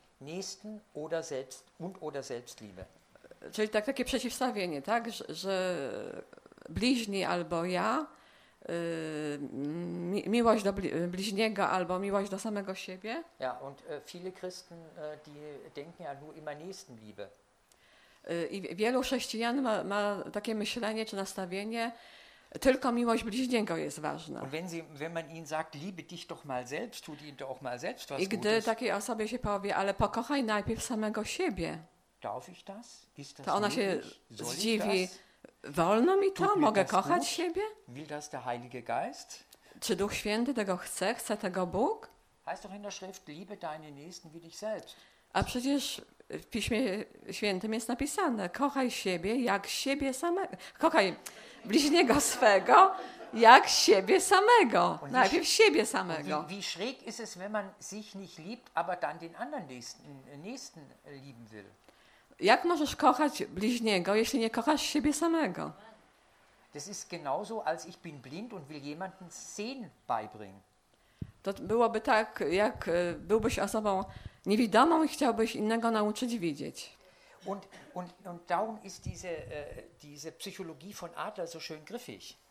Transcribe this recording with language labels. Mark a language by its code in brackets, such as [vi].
[de] Nächsten oder selbst und oder Selbstliebe. [pl] Czyli tak, takie przeciwstawienie, tak, że bliźni albo ja, miłość do bliźniego albo miłość do samego siebie. [de] Ja, und viele Christen, die denken ja nur immer Nächstenliebe. [pl] I wielu chrześcijan ma takie myślenie czy nastawienie, tylko miłość bliźniego jest ważna. [de] Und wenn man ihnen sagt, liebe dich doch mal selbst, tu dient doch mal selbst was Gutes. [pl] I gdy takiej osobie się powie, ale pokochaj najpierw samego siebie. [de] Darf ich das? Ist das [pl] to ona się zdziwi. Wolno mi to? Mogę kochać siebie? [de] Will das der Heilige Geist? [pl] Czy Duch Święty tego chce? Chce tego Bóg? [de] Heißt doch in der Schrift, liebe deinen Nächsten wie dich selbst. [pl] A przecież w Piśmie Świętym jest napisane, kochaj siebie jak siebie samego. Kochaj bliźniego swego jak siebie samego. Najpierw siebie samego. [de] Wie schräg ist es, wenn man sich nicht liebt, aber dann den anderen Nächsten lieben will? [pl] Jak możesz kochać bliźniego, jeśli nie kochasz siebie samego? [de] Das ist genauso, als ich bin blind und will jemanden sehen beibringen. [pl] To byłoby tak, jak byłbyś osobą niewidomą i chciałbyś innego nauczyć widzieć. [de] Und darum ist diese Psychologie von Adler so schön griffig.